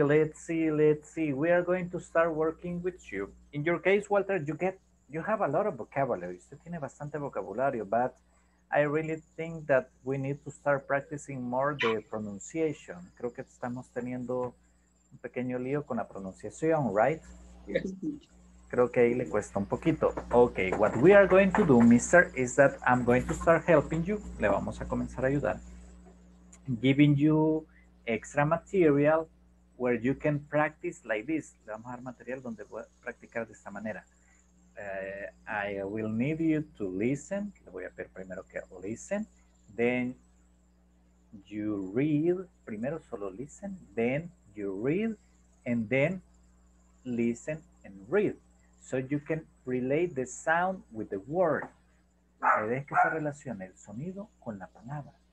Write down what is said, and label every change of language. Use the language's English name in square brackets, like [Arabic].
[English] We are going to start working with you. In your case, Walter, you have a lot of vocabulary. [Spanish] Usted tiene bastante vocabulario, [English] but I really think that we need to start practicing more the pronunciation. [Spanish] Creo que estamos teniendo un pequeño lío con la pronunciación, right? [English] Yes. [Spanish] Creo que ahí le cuesta un poquito. [English] Okay, what we are going to do, mister, is that I'm going to start helping you. [Spanish] Le vamos a comenzar a ayudar. [English] Giving you extra material where you can practice like this. [Spanish] Le vamos a dar material donde voy a practicar de esta manera. [English] I will need you to listen. [Spanish] Le voy a pedir primero que [English] listen. Then you read. [Spanish] Primero solo [English] listen. Then you read. And then listen and read. So you can relate the sound with the word. [Spanish] La idea es que se relacione el sonido con la palabra.